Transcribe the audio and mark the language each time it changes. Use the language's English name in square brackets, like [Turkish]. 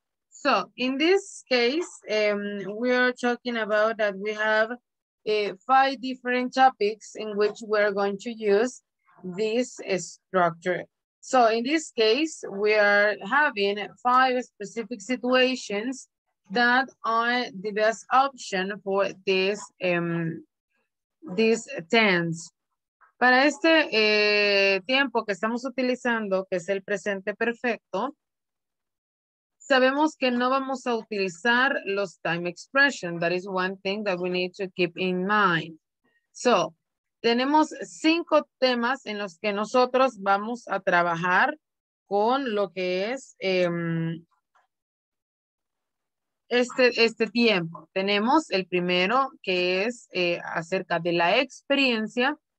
[English] So in this case, we are talking about that we have 5 different topics in which we're going to use this structure. So in this case, we are having 5 specific situations that are the best option for this, this tense. [Spanish] Para este tiempo que estamos utilizando, que es el presente perfecto, sabemos que no vamos a utilizar los time expressions. [English] That is one thing that we need to keep in mind. [Spanish] So, tenemos 5 temas en los que nosotros vamos a trabajar con lo que es este tiempo. Tenemos el primero, que es acerca de la experiencia.